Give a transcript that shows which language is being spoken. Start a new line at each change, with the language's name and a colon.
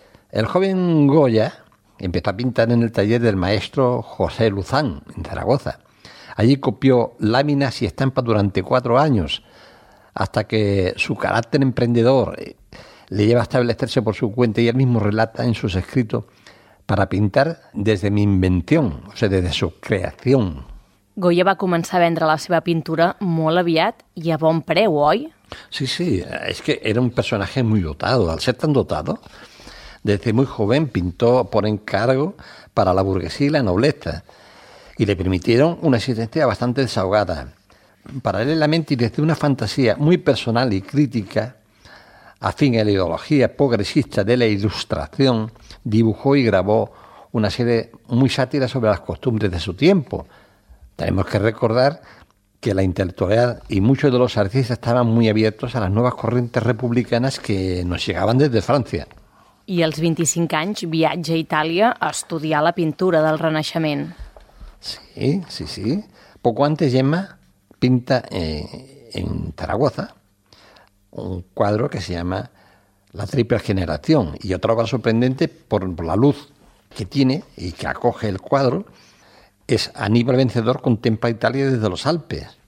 Spanish: El joven Goya empezó a pintar en el taller del maestro José Luzán, en Zaragoza. Allí copió láminas y estampas durante 4 años, hasta que su carácter emprendedor le lleva a establecerse por su cuenta, y él mismo relata en sus escritos, para pintar desde mi invención, o sea, desde su creación.
Catalan: Goya va començar a vendre la seva pintura molt aviat i a bon preu, oi?
Spanish: Sí, es que era un personaje muy dotado. Al ser tan dotado, desde muy joven pintó por encargo para la burguesía y la nobleza. y le permitieron una existencia bastante desahogada. Paralelamente y desde una fantasía muy personal y crítica, afín a la ideología progresista de la Ilustración, dibujó y grabó una serie muy sátira sobre las costumbres de su tiempo. Tenemos que recordar que la intelectualidad y muchos de los artistas estaban muy abiertos a las nuevas corrientes republicanas que nos llegaban desde Francia.
Catalan: I als 25 anys viatja a Itàlia a estudiar la pintura del Renaixement.
Spanish: Sí, sí, sí. Poco antes Gemma pinta en Zaragoza un cuadro que se llama La Triple Generación y otra obra sorprendente por la luz que tiene y que acoge el cuadro es Aníbal Vencedor contempla Italia desde los Alpes.